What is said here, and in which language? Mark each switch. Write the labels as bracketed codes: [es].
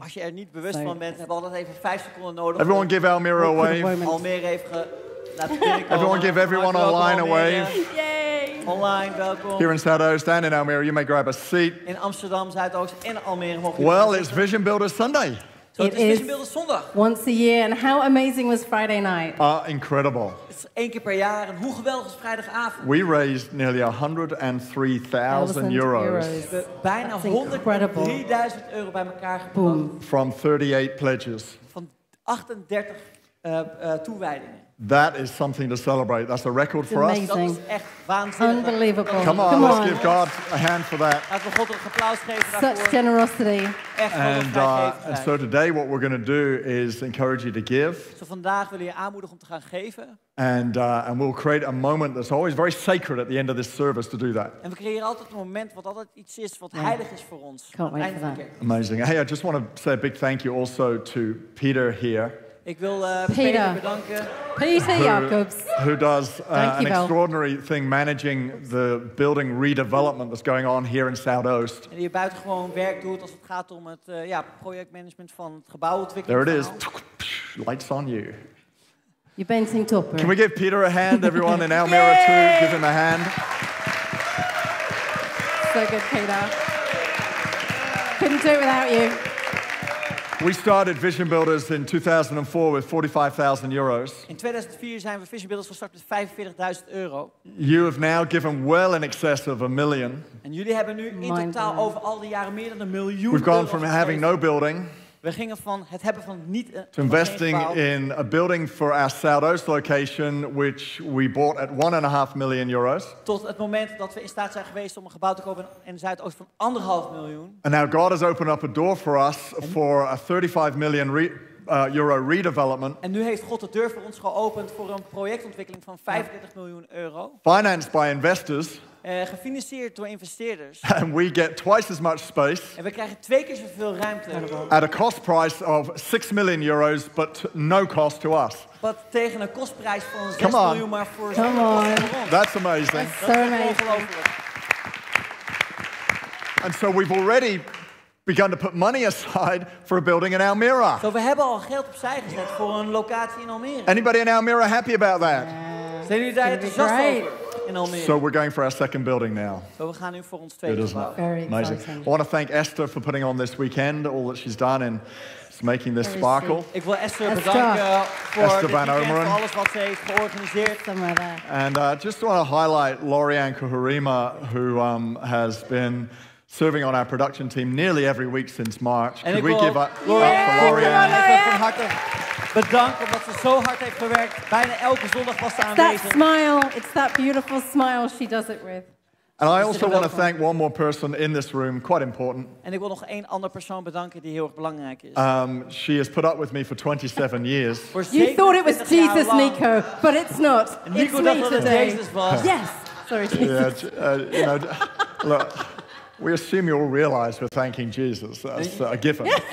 [nl] Als je er niet bewust van bent, hebben we altijd even 5 seconden nodig. [en] Everyone give Almira a wave. [nl] Almira heeft laten [en] everyone give everyone online a wave. Yay! [nl] Online, welkom. [en] Here in Zuidoost and in Almira, you may grab a seat. [nl] In Amsterdam, Zuidoost en Almira. [en] Well, it's Vision Builder Sunday. So it is Vision Builder Sunday. Once a year, and how amazing was Friday night? Incredible. It's [nl] 1 keer per jaar, and hoe geweldig is vrijdagavond? [en] We raised nearly 103,000 euros. [nl] Bijna 103,000 euro bij elkaar gepompt. [en] From 38 pledges. [nl] Van 38 toewijdingen. [en] That is something to celebrate. That's a record for us. Amazing. [nl] Dat is echt waanzinnig. [en] Unbelievable. Come on, let's give God a hand for that. [nl] Laten we God een applaus geven daarvoor. [en] Such generosity. And so today what we're going to do is encourage you to give. [nl] Zo vandaag willen we je aanmoedigen om te gaan geven. [en] And we'll create a moment that's always very sacred at the end of this service to do that. [nl] En we creëren altijd een moment wat altijd iets is wat heilig is voor ons. [en] Can't wait for that. Amazing. Hey, I just want to say a big thank you also to Peter here. [nl] Ik wil Peter bedanken. Peter Jacobs. [en] Who does an extraordinary thing managing the building redevelopment that's going on here in Zuidoost. [nl] En die buitengewoon werk doet als het gaat om het projectmanagement van het gebouwontwikkeling. [en] There it is. Lights on you. You're bending top. Can we give Peter a hand, everyone, in Almira too? Give him a hand. So good, Peter. Couldn't do it without you. We started Vision Builders in 2004 with 45,000 euros. [nl] In 2004 zijn we Vision Builders gestart met 45.000 euro. [en] You have now given well in excess of a million. [nl] En jullie hebben nu in totaal over al die jaren meer dan een miljoen euro. [en] We've gone from having no building. [nl] We gingen van het hebben van niet een [en] gebouw. To investing in a building for our Zuidoost location, which we bought at 1.5 million euros. [nl] Tot het moment dat we in staat zijn geweest om een gebouw te kopen in Zuidoost van 1.5 miljoen. [en] And now God has opened up a door for us for a 35 million euro redevelopment. [nl] En nu heeft God de deur voor ons geopend voor een projectontwikkeling van 35 miljoen euro. [en] Financed by investors. [nl] Gefinancierd door investeerders. [en] And we get twice as much space. [nl] En we krijgen 2 keer zoveel ruimte. [en] At a cost price of 6 million euros, but no cost to us. [nl] Wat tegen een kostprijs van 6 miljoen, maar voor [en] ons. Come on. That's amazing. That's so amazing. And so we've already begun to put money aside for a building in Almira. [nl] So we hebben al geld opzij gezet voor een locatie in Almira. [en] Anybody in Almira happy about that? [nl] Zijn jullie daar enthousiast over? [en] So we're going for our second building now. So we're going for our second building now. Very amazing. Exciting. I want to thank Esther for putting on this weekend, all that she's done, and it's making this sparkle. [nl] Ik wil Esther bedanken voor Esther van Omeren. Weekend, alles wat ze heeft georganiseerd. [en] And I just want to highlight Lorianne Kuhurima, who has been serving on our production team nearly every week since March. [nl] En [en] could we give up for Lorianne? [nl] Bedanken omdat ze zo hard heeft gewerkt. Bijna elke zondag was ze aanwezig. [en] That smile, it's that beautiful smile she does it with. And I also want to thank one more person in this room, quite important. [nl] En ik wil nog één andere persoon bedanken die heel erg belangrijk is. [en] She has put up with me for 27 years. You thought it was Jesus, Nico, but it's not. Nico it's me [nl] dacht [en] today. [nl] Dat Jesus was. [en] Yes. Sorry, Jesus. Yeah, you know, look. We assume you all realize we're thanking Jesus as a given.